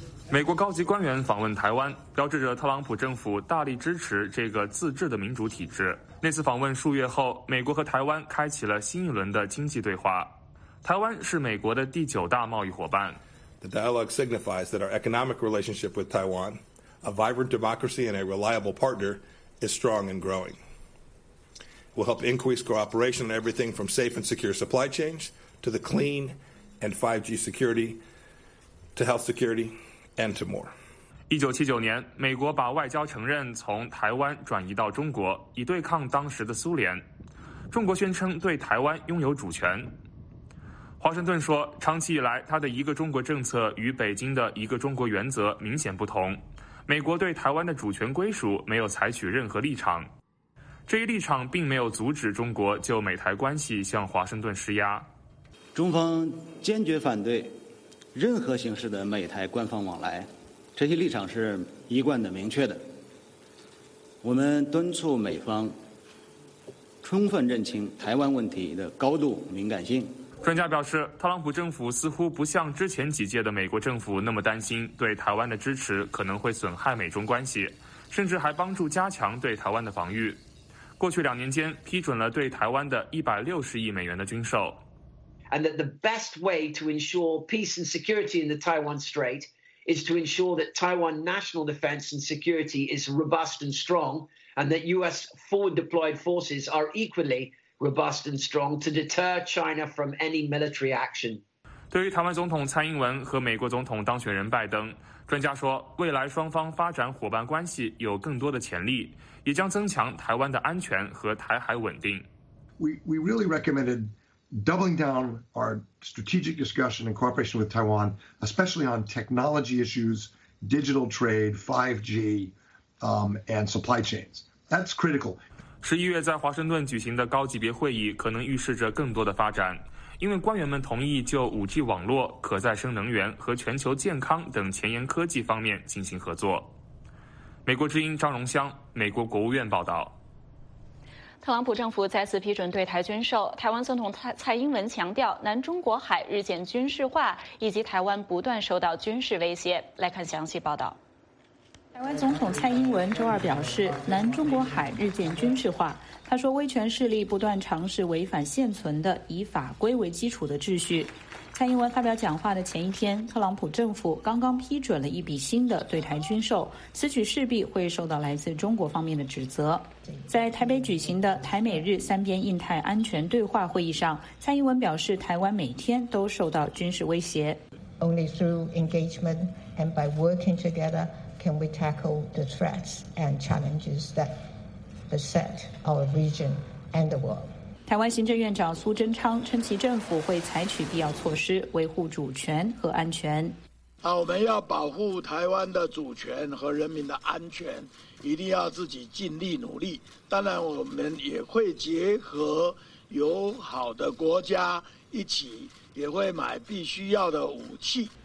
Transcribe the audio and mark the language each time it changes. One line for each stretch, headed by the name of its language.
Chinese: 美国高级官员访问台湾，标志着特朗普政府大力支持这个自治的民主体制。那次访问数月后，美国和台湾开启了新一轮的经济对话。台湾是美国的第9大贸易伙伴。
English: The dialogue signifies that our economic relationship with Taiwan, a vibrant democracy and a reliable partner, is strong and growing. We'll help increase cooperation on everything from safe and secure supply chains to the clean and 5G security to health security.
Chinese: 1979年，美国把外交承认从台湾转移到中国，以对抗当时的苏联。中国宣称对台湾拥有主权。华盛顿说，长期以来，他的一个中国政策与北京的一个中国原则明显不同。美国对台湾的主权归属没有采取任何立场。这一立场并没有阻止中国就美台关系向华盛顿施压。中方坚决反对任何形式的美台官方往来，这些立场是一贯的明确的。我们敦促美方充分认清台湾问题的高度敏感性。专家表示，特朗普政府似乎不像之前几届的美国政府那么担心对台湾的支持可能会损害美中关系，甚至还帮助加强对台湾的防御。过去两年间批准了对台湾的160亿美元的军售。
English: And that the best way to ensure peace and security in the Taiwan Strait is to ensure that Taiwan national defense and security is robust and strong, and that U.S. forward deployed forces are equally robust and strong to deter China from any military action.
Chinese: 对于台湾总统蔡英文和美国总统当选人拜登，专家说，未来双方发展伙伴关系有更多的潜力，也将增强台湾的安全和台海稳定。
English: We really recommended. Doubling down our strategic discussion and cooperation with Taiwan, especially on technology issues, digital trade, 5G, and supply chains. That's critical.
Chinese: 11月在华盛顿举行的高级别会议可能预示着更多的发展，因为官员们同意就 5G 网络、可再生能源和全球健康等前沿科技方面进行合作。美国之音张荣香，美国国务院报道。特朗普政府再次批准对台军售，台湾总统蔡英文强调南中国海日渐军事化，以及台湾不断受到军事威胁。来看详细报道。台湾总统蔡英文周二表示，南中国海日渐军事化。他说，威权势力不断尝试违反现存的以法规为基础的秩序。蔡英文发表讲话的前一天，特朗普政府刚刚批准了一笔新的对台军售，此举势必会受到来自中国方面的指责。在台北举行的台美日三边印太安全对话会议上，蔡英文表示台湾每天都受到军事威胁。
English: Only through engagement and by working together can we tackle the threats and challenges that beset our region and the world.
Chinese: 台湾行政院长苏贞昌称其政府会采取必要措施维护主权和安全。我们要保护台湾的主权和人民的安全，一定要自己尽力努力。当然我们也会结合友好的国家一起，也会买必须要的武器。